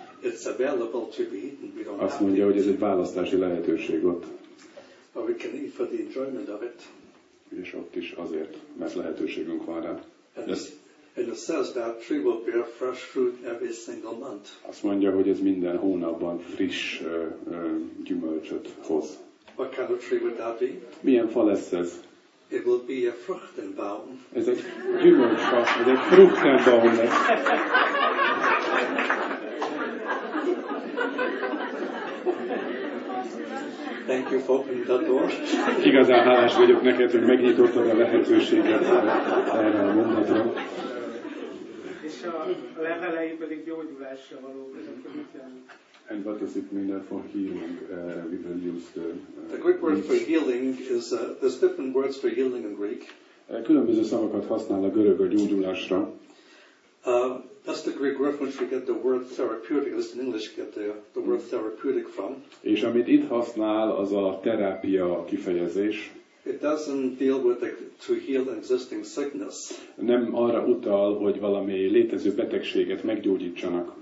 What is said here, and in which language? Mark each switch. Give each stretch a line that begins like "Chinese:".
English: It's available to be eaten. We don't have to eat.
Hungarian: Azt mondja, hogy ez egy választási lehetőség ott.
English: But we can eat for the enjoyment of it.
Hungarian: És ott is azért, mert lehetőségünk van rá.
English: And it says that tree will bear fresh fruit every single month.
Hungarian: Azt mondja, hogy ez minden hónapban friss gyümölcsöt hoz.
English: What kind of tree would that be?
Hungarian: Milyen fa lesz ez?
English: It will be a Fruchtenbaum.
Hungarian: Ez egy gyümölcsfa, ez egy Fruchtenbaum lesz.
English: Thank you for opening the door.
Hungarian: Igazán hálás vagyok neked, hogy megnyitottad a lehetőséget erre a mondatra. A levelei pedig gyógyulásra valók.
English: And what does it mean for healing? We will use the. The Greek word for healing is there's different words for healing in Greek.
Hungarian: Különböző szavakat használ a görög a gyógyulásra.
English: That's the Greek reference we get the word therapeutic. That's in English get the word therapeutic from.
Hungarian: És amit itt használ, az a terápia kifejezés.
English: It doesn't deal with to heal an existing sickness.
Hungarian: Nem arra utal, hogy valami létező betegséget meggyógyítsanak.